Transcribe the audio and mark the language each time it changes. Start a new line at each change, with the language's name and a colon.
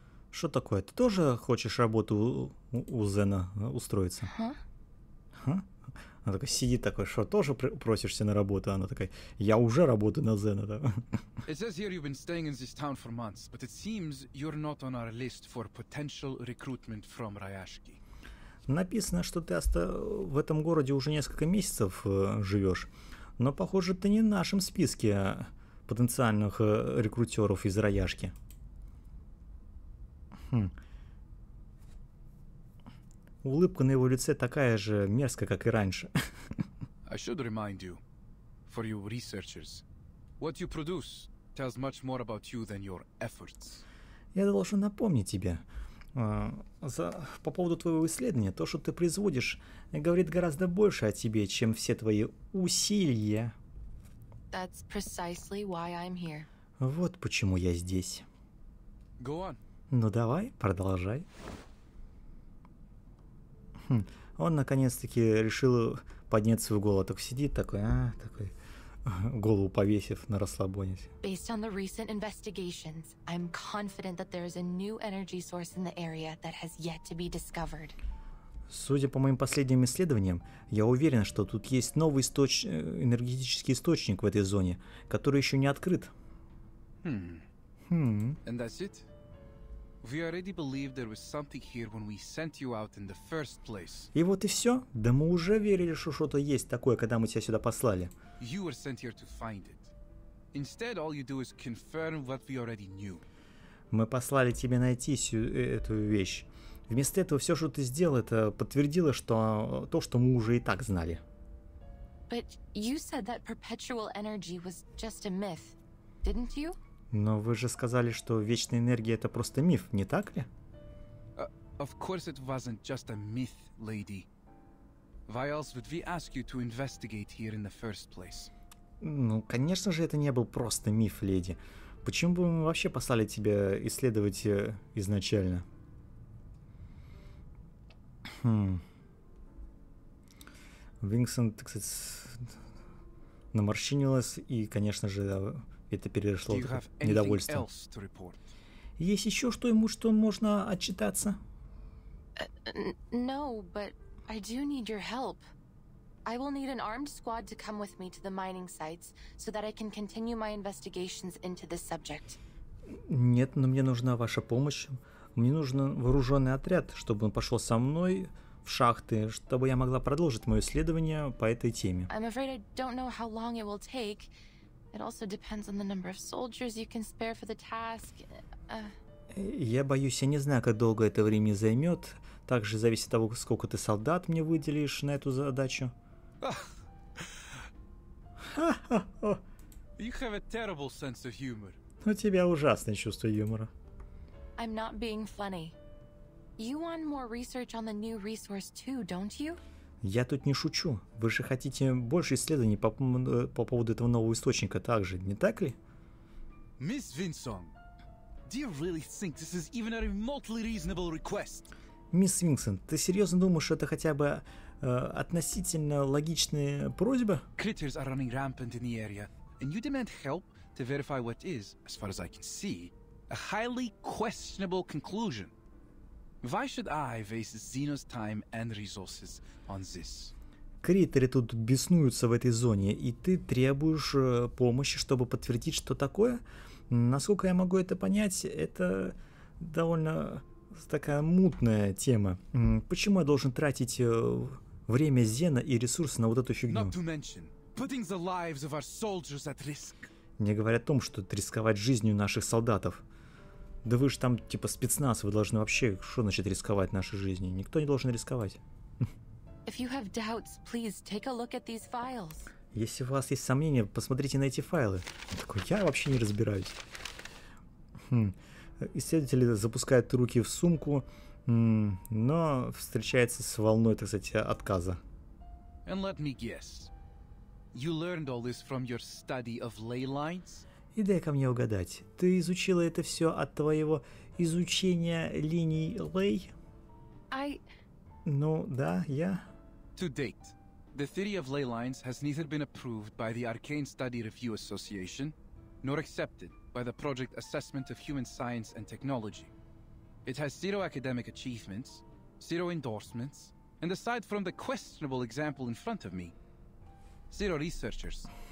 Russian: Что такое? Ты тоже хочешь работу у Зена устроиться? Она такая сидит такой, что тоже просишься на работу? Она такая, я уже работаю на Зена, да?
English: It says here you've been staying in this town for months, but it seems you're not on our list for potential recruitment from Rayashki.
Russian: Написано, что ты в этом городе уже несколько месяцев живешь, но похоже, ты не в нашем списке потенциальных рекрутеров из Рояшки. Улыбка на его лице такая же мерзкая, как и раньше.
English: I should remind you, for you researchers, what you produce tells much more about you than your efforts.
Russian: Я должен напомнить тебе, по поводу твоего исследования, то, что ты производишь, говорит гораздо больше о тебе, чем все твои усилия.
English: That's precisely why I'm here.
Russian: Вот почему я здесь.
English: Go on.
Russian: Ну давай, продолжай. Он наконец-таки решил поднять свою голову. Так сидит такой, такой, голову повесив на расслабоне.
English: Based on the recent investigations, I'm confident that there is a new energy source in the area that has yet to be discovered.
Russian: Судя по моим последним исследованиям, я уверен, что тут есть новый энергетический источник в этой зоне, который еще не открыт.
English: And that's it? We already believed there was something here when we sent you out in the first place.
Russian: И вот и все? Да мы уже верили, что что-то есть такое, когда мы тебя сюда послали.
English: You were sent here to find it. Instead, all you do is confirm what we already knew.
Russian: Мы послали тебя найти эту вещь. Вместо этого все, что ты сделал, это подтвердило, что то, что мы уже и так знали.
English: But you said that perpetual energy was just a myth, didn't you?
Russian: Но вы же сказали, что вечная энергия — это просто миф, не так ли?
English: Of course it wasn't just a myth, lady. Why else would we ask you to investigate here in the first place?
Russian: Ну, конечно же, это не был просто миф, леди. Почему бы мы вообще послали тебя исследовать изначально? Винсент, так сказать, наморщинилась и, конечно же, это перешло в недовольство. Есть еще что можно отчитаться?
English: No, but I do need your help. I will need an armed squad to come with me to the mining sites, so that I can continue my investigations into this subject.
Russian: Нет, но мне нужна ваша помощь. Мне нужен вооруженный отряд, чтобы он пошел со мной в шахты, чтобы я могла продолжить мое исследование по этой теме.
English: I'm afraid I don't know how long it will take. It also depends on the number of soldiers you can spare for the task.
Russian: Я боюсь, я не знаю, как долго это время займет. Также зависит от того, сколько ты солдат мне выделишь на эту задачу.
English: You have a terrible sense of humor.
Russian: У тебя ужасное чувство юмора.
English: I'm not being funny. You want more research on the new resource too, don't you?
Russian: Я тут не шучу. Вы же хотите больше исследований по поводу этого нового источника также, не так ли?
English: Miss Vinson, do you really think this is even a remotely reasonable request?
Russian: Мисс Винсент, ты серьезно думаешь, что это хотя бы относительно логичная просьба?
English: Critters are running rampant in the area, and you demand help to verify what is, as far as I can see, a highly questionable conclusion. Why should I waste Zeno's time and resources on this?
Russian: Критеры тут беснуются в этой зоне, и ты требуешь помощи, чтобы подтвердить, что такое? Насколько я могу это понять, это довольно такая мутная тема. Почему я должен тратить время Зена и ресурсы на вот эту фигню?
English: Not to mention, putting the lives of our soldiers at risk.
Russian: Не говоря о том, что рисковать жизнью наших солдатов. Да вы же там типа спецназ, вы должны вообще, что значит рисковать нашей жизнью? Никто не должен рисковать.
English: If you have doubts, please take a look at these files.
Russian: Если у вас есть сомнения, посмотрите на эти файлы. Он такой, я вообще не разбираюсь. Исследователи запускают руки в сумку, но встречается с волной, так сказать, отказа.
English: And let me guess. You learned all this from your study of ley lines?
Russian: И дай-ка мне угадать, ты изучила это все от твоего изучения линий лей?
English: I...
Russian: Ну, да, я...
English: To date, the theory of ley lines has neither been approved by the Arcane Study Review Association, nor accepted by the Project Assessment of Human Science and Technology. It has zero academic achievements, zero endorsements, and aside from the questionable example in front of me, zero researchers.